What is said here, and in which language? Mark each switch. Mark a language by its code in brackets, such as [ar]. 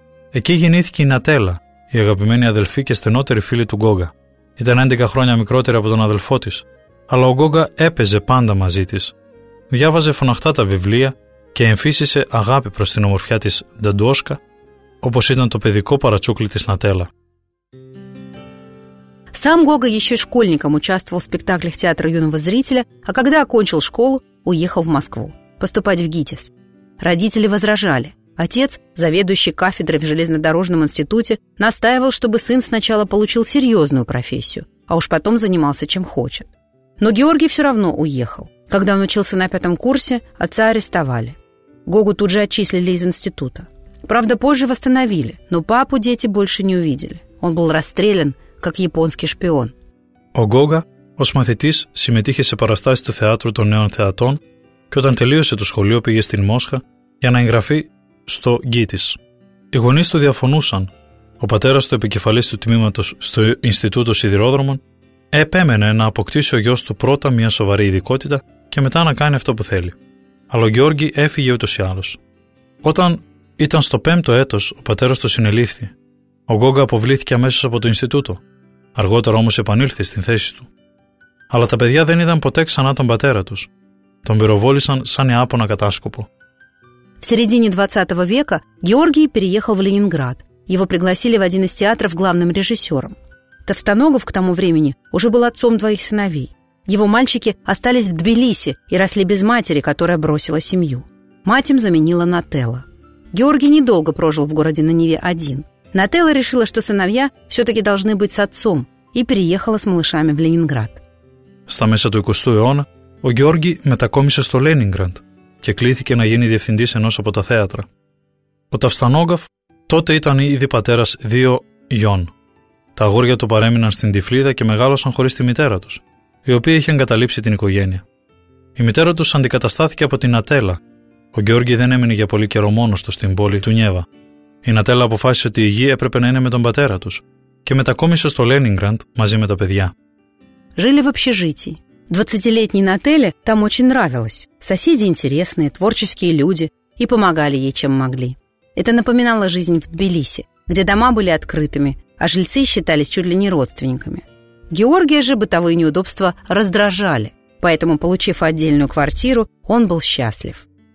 [el] Εκεί γεννήθηκε η Νατέλα, η αγαπημένη αδελφή και στενότερη φίλη του Γκόγκα. Ήταν 11 χρόνια μικρότερη από τον αδελφό της, αλλά ο Γκόγκα έπαιζε πάντα μαζί της. Διάβαζε φωναχτά τα βιβλία και εμφύσισε αγάπη προς την ομορφιά της Νταντούσκα, όπως ήταν το παιδικό παρατσούκλι της Νατέλα. [ru] Сам Гога еще школьником участвовал в спектаклях театра юного зрителя, а когда окончил школу, уехал в Москву поступать в ГИТИС. Родители возражали. Отец, заведующий кафедрой в железнодорожном институте, настаивал, чтобы сын сначала получил серьезную профессию, а уж потом занимался чем хочет. Но Георгий все равно уехал. Когда он учился на 5-м курсе, отца арестовали. Гогу тут же отчислили из института. Правда, позже восстановили, но папу дети больше не увидели. Он был расстрелян, как японский шпион. [el] О Гога, ως μαθητής, συμμετείχε σε παραστάσεις του θεάτρου των νέων θεατών και όταν τελείωσε το σχολείο πήγε στην Μόσχα για να εγγραφεί στο ΓΙΤΙΣ. Οι γονείς του διαφωνούσαν. Ο πατέρας του επικεφαλής του τμήματος στο Ινστιτούτο Σιδηρόδρομων επέμενε να αποκτήσει ο γιος του πρώτα μια σοβαρή ειδικότητα και μετά να κάνει αυτό που θέλει. Αλλά ο Γιώργη έφυγε ούτως ή άλλως. Όταν ήταν στο 5ο έτος, ο πατέρας του συνελήφθη. Ο Γκόγκα αποβλήθηκε αμέσως από το Ινστιτούτο. Αργότερα όμως επανήλθε στην θέση του. Αλλά τα παιδιά δεν είδαν ποτέ ξανά τον πατέρα τους. Τον πυροβόλησαν σαν Ιάπωνα κατάσκοπο. [ru] В середине 20 века Георгий переехал в Ленинград. Его пригласили в один из театров главным режиссером. Тавстаногов к тому времени уже был отцом 2 сыновей. Его мальчики остались в Тбилиси и росли без матери, которая бросила семью. Мать им заменила Нателла. Георгий недолго прожил в городе на Неве один. Нателла решила, что сыновья все-таки должны быть с отцом, и переехала с малышами в Ленинград. [el] Στα μέσα του 20ου αιώνα, ο Γιώργη μετακόμισε στο Λένιγκραντ και κλήθηκε να γίνει διευθυντής ενός από τα θέατρα. Ο Ταφστανόγκαφ τότε ήταν ήδη πατέρας δύο γιών. Τα αγόρια του παρέμειναν στην Τυφλίδα και μεγάλωσαν χωρίς τη μητέρα τους, η οποία είχε εγκαταλείψει την οικογένεια. Η μητέρα τους αντικαταστάθηκε από την Νατέλα. Ο Γιώργη δεν έμεινε για πολύ καιρό μόνος του στην πόλη του Νιέβα. Η Νατέλα αποφάσισε ότι η γη έπρεπε να είναι με τον πατέρα τους και μετακόμισε στο Λένιγκραντ μαζί με τα παιδιά. [ru] Жили в общежитии. 20-летней Нателле там очень нравилось. Соседи интересные, творческие люди и помогали ей, чем могли. Это напоминало жизнь в Тбилиси, где дома были открытыми, а жильцы считались чуть ли не родственниками. Георгия же бытовые неудобства раздражали, поэтому, получив отдельную квартиру, он был счастлив.